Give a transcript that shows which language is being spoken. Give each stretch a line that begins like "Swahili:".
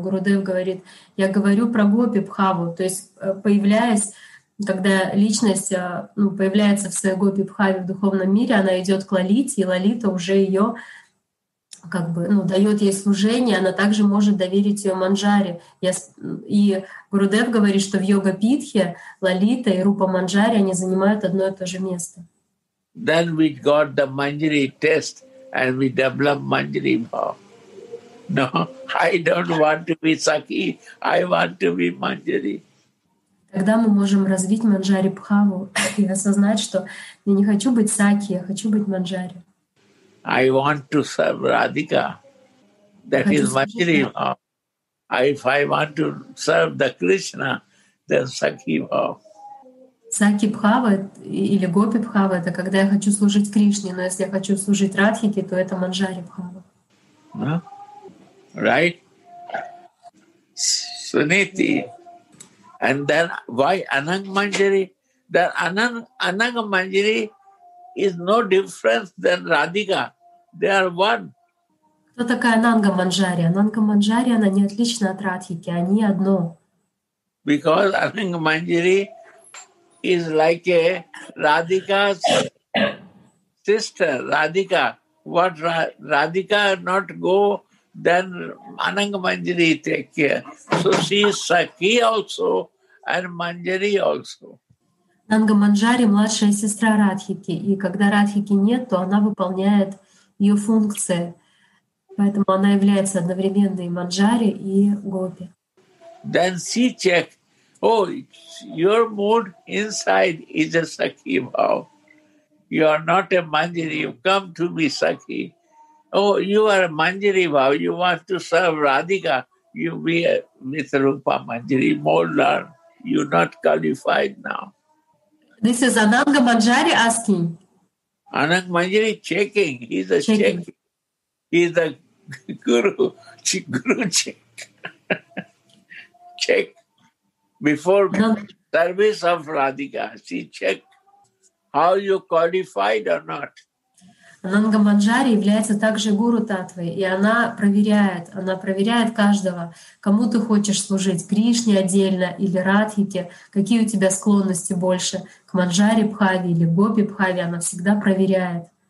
Russian: Гурудев говорит, я говорю про гопи бхаву. То есть появляясь, когда личность появляется в своей гопи бхаве в духовном мире, она идет к Лалите, и Лалита уже ее дает ей служение, она также может доверить ее манджаре. И Гурудев говорит, что в йога-питхе Лалита и Рупа Манджари, они занимают одно и то же место.
English: Then we got the manjari test and we develop manjari bhav. No, I don't want to be sakhi, I want to be manjari.
Russian: Тогда мы можем развить манджари бхаву и осознать, что я не хочу быть сакхи, я хочу быть манджари.
English: I want to serve Radhika. That is Manjari Bhava. If I want to serve the Krishna, then Sakhi Bhava.
Russian: Sakhi Bhava или Gopi Bhava — это когда я хочу служить Кришне, но если я хочу служить Радхике, то это Манджари Бхава.
English: Right? Suniti. And then why Anang Manjari? That Anang Manjari is no different than Radhika. They are one.
Russian: Кто такая Нанга Манджари? Нанга Манджари, она не отлична от Радхики, они одно.
English: Because Ananga Manjari is like a Radhika's sister, Radhika. What Radhika not go, then Ananga Manjari take care. So she is Sakhi also and Manjari also.
Russian: Нанга Манджари – младшая сестра Радхики. И когда Радхики нет, то она выполняет ее функции. Поэтому она является одновременно и Манджари, и Гопи.
English: Then she check. Oh, your mood inside is a Sakhi bhav. You are not a Manjari. You come to be Sakhi. Oh, you are a Manjari bhav. You want to serve Radhika. You be a Mitharupa Manjari. More learn. You not qualified now. This is Ananga Manjari asking. Ananga Manjari checking. He's a checking. He's a guru. Guru check. Check. Before service of Radhika, she check how you qualified or not.
Russian: Ананга Манджари является также гуру Татвой, и она проверяет каждого, кому ты хочешь служить, Кришне отдельно или Радхике, какие у тебя склонности больше, к Манджари Бхаве или Гопи Бхаве, она всегда проверяет.